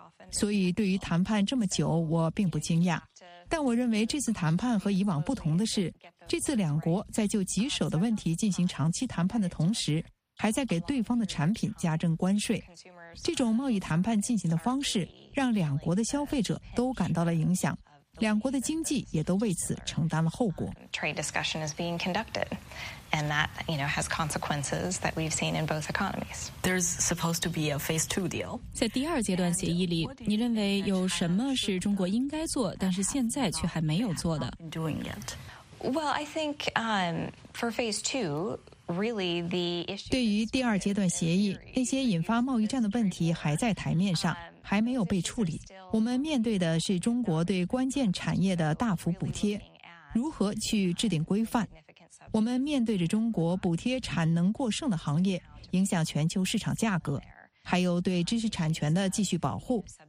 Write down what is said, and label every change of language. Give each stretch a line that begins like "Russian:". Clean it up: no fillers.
Chinese: 所以对于谈判这么久我并不惊讶，但我认为这次谈判和以往不同的是，这次两国在就棘手的问题进行长期谈判的同时，还在给对方的产品加征关税。这种贸易谈判进行的方式让两国的消费者都感到了影响，两国的经济也都为此承担了后果。
English: Trade discussion is being conducted, and that, you know, has consequences that we've seen in both economies. There's supposed to be a phase two deal.
Chinese: 在第二阶段协议里，你认为有什么是中国应该做，但是现在却还没有做的
English: ？Doing yet? Well, I think for phase two, really the issue.
Chinese: 对于第二阶段协议，那些引发贸易战的问题还在台面上。还没有被处理，我们面对的是中国对关键产业的大幅补贴，如何去制定规范。我们面对着中国补贴产能过剩的行业，影响全球市场价格，还有对知识产权的继续保护。